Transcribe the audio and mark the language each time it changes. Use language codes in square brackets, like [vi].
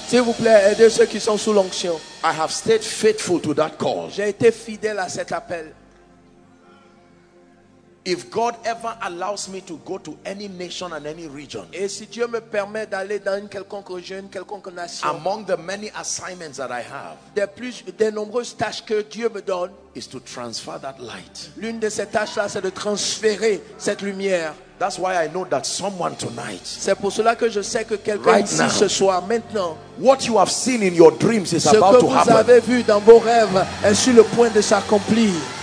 [fr] S'il vous plaît, aidez ceux qui sont sous l'onction. [en] I have stayed faithful to that call. [fr] J'ai été fidèle à cet appel. [en] If God ever allows me to go to any nation and any region, [fr] et si Dieu me permet d'aller dans une quelconque région, une quelconque nation, [en] among the many assignments that I have, [fr] des nombreuses tâches que Dieu me donne, [en] is to transfer that light. [fr] L'une de ces tâches-là, c'est de transférer cette lumière. [en] That's why I know that someone tonight, [fr] c'est pour cela que je sais que quelqu'un [en] right [fr] ici [en] now, [fr] ce soir, maintenant, [en] what you have seen in your dreams is about to happen. [fr] Ce que vous avez vu dans vos rêves est sur le point de s'accomplir.